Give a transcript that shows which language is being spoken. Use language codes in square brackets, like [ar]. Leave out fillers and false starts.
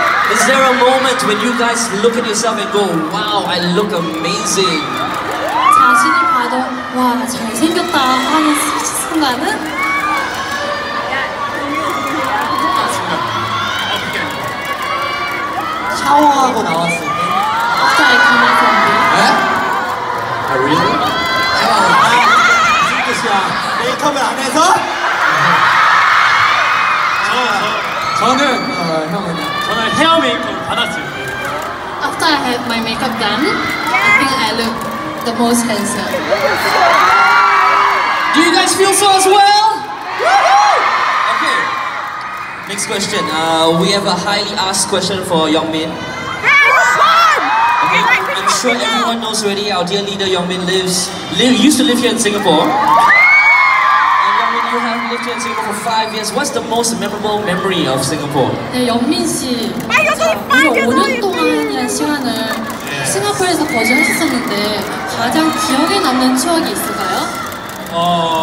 [en] Is there a moment when you guys look at yourself and go, wow, I look amazing? [ko] 자신을 봐도 와 잘생겼다 하는 순간은? 샤워하고 나왔을 때 갑자기 가만히 있었는데 에? [en] 아, really? [ko] 무슨 뜻이야? 메이크업을 안 해서? 저는 헤어 메이크업 받았을 때 [en] After I had my makeup done, I think I look the most handsome. Do you guys feel so as well? Okay. Next question. We have a highly asked question for Youngmin. Okay. I'm sure everyone knows already. Our dear leader Youngmin used to live here in Singapore. You have lived here in Singapore for 5 years. What's the most memorable memory of Singapore? [ko] 네, 영민 씨. 아, 여기 5년 동안 그냥 시간을 싱가포르에서 거주했었는데 가장 기억에 남는 추억이 있을까요?